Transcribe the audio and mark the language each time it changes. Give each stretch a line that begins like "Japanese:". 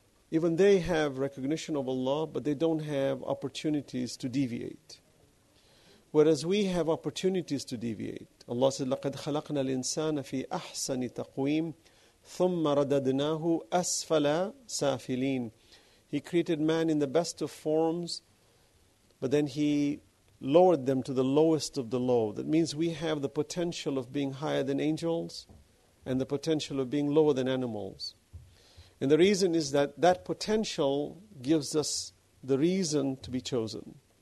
English: Even they have recognition of Allah, but they don't have opportunities to deviate. Whereas we have opportunities to deviate.
Arabic: Allah said, لَقَدْ خَلَقْنَا الْإِنسَانَ فِي أَحْسَنِ تَقْوِيمٍ ثُمَّ رَدَدْنَاهُ أَسْفَلَ سَافِلِينَ.
English: He created man in the best of forms, but then He lowered them to the lowest of the low. That means we have the potential of being higher than angels and the potential of being lower than animals. And the reason is that that potential gives us the reason to be chosen.